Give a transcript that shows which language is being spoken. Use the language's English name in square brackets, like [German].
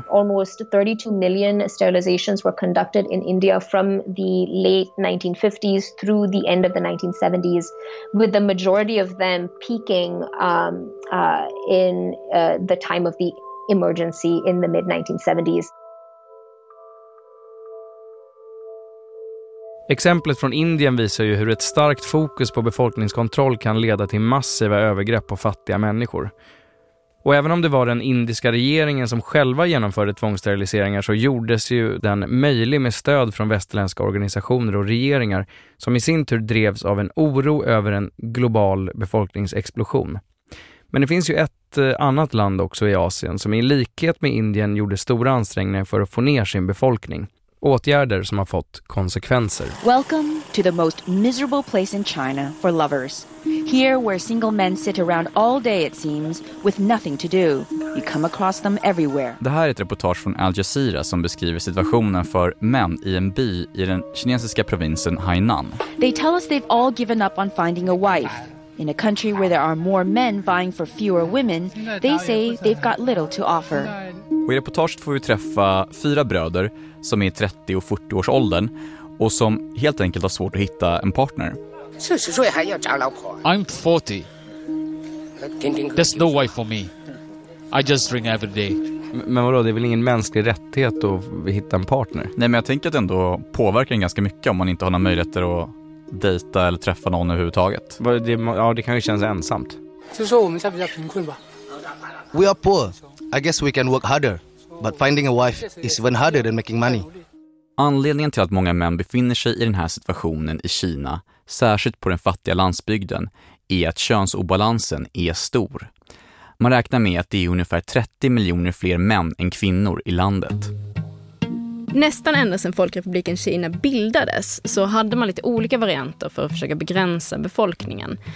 [English] Almost 32 million sterilizations were conducted in India from the late 1950s through the end of the 1970s, with the majority of them peaking in the time of the emergency in the mid 1970s. [Swedish] Exemplet från Indien visar ju hur ett starkt fokus på befolkningskontroll kan leda till massiva övergrepp på fattiga människor. Och även om det var den indiska regeringen som själva genomförde tvångssteriliseringar så gjordes ju den möjlig med stöd från västerländska organisationer och regeringar som i sin tur drevs av en oro över en global befolkningsexplosion. Men det finns ju ett annat land också i Asien som i likhet med Indien gjorde stora ansträngningar för att få ner sin befolkning. Åtgärder som har fått konsekvenser. [English] Welcome to the most miserable place in China for lovers. Here where single men sit around all day it seems with nothing to do. You come across them everywhere. [Swedish] Det här är ett reportage från Al Jazeera som beskriver situationen för män i en by i den kinesiska provinsen Hainan. [English] They tell us they've all given up on finding a wife. In a country where there are more men vying for fewer women, they say they've got little to offer. [Swedish] Och i reportaget får vi träffa 4 bröder som är 30 och 40 års åldern och som helt enkelt har svårt att hitta en partner. [English] I'm 40. There's no wife for me. I just drink every day. [Swedish] Men vadå, det är väl ingen mänsklig rättighet att hitta en partner? Nej, men jag tänker att det ändå påverkar en ganska mycket om man inte har några möjligheter att dejta eller träffa någon överhuvudtaget. Ja, det kanske känns ensamt. [English] We are poor. I guess we can work harder, but finding a wife is even harder than making money. [Swedish] Anledningen till att många män befinner sig i den här situationen i Kina, särskilt på den fattiga landsbygden, är att könsobalansen är stor. Man räknar med att det är ungefär 30 miljoner fler män än kvinnor i landet. Nästan ända sedan Folkrepubliken Kina bildades så hade man lite olika varianter för att försöka begränsa befolkningen.